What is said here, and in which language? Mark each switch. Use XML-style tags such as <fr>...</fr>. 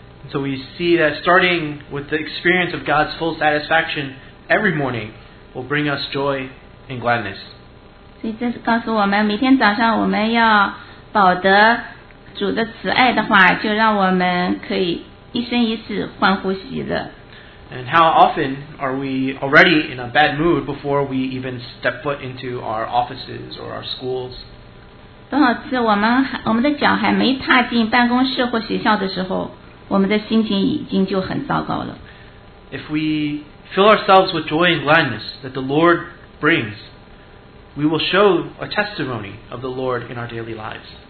<en>So we see that starting with the experience of God's full satisfaction every morning will bring us joy and gladness.</en> <zh>所以这是告诉我们，每天早上我们要保得主的慈爱的话，就让我们可以一生一世欢呼喜乐。</zh> <en>And how often are we already in a bad mood before we even step foot into our offices or our schools?</en> <zh>多少次我们的脚还没踏进办公室或学校的时候，我们的心情已经就很糟糕了。</zh> <en>If we fill ourselves with joy and gladness that the Lord brings, we will show a testimony of the Lord in our daily lives.</en>